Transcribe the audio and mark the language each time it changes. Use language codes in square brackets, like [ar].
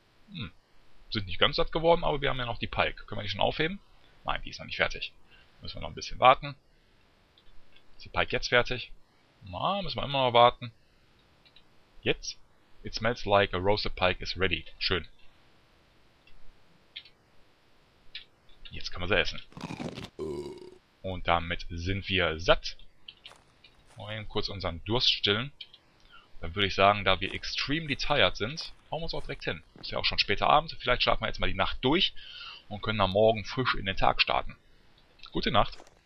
[de] Hm. Sind nicht ganz satt geworden, aber wir haben ja noch die Pike. Können wir die schon aufheben? Nein, die ist noch nicht fertig. Müssen wir noch ein bisschen warten. Ist die Pike jetzt fertig? Na, müssen wir immer noch warten. Jetzt? [en] It smells like a roasted pike is ready. [de] Schön. Jetzt können wir sie essen. Und damit sind wir satt. Mal kurz unseren Durst stillen. Dann würde ich sagen, da wir extrem tired sind, hauen wir uns auch direkt hin. Ist ja auch schon später Abend. Vielleicht schlafen wir jetzt mal die Nacht durch und können dann morgen frisch in den Tag starten. Gute Nacht.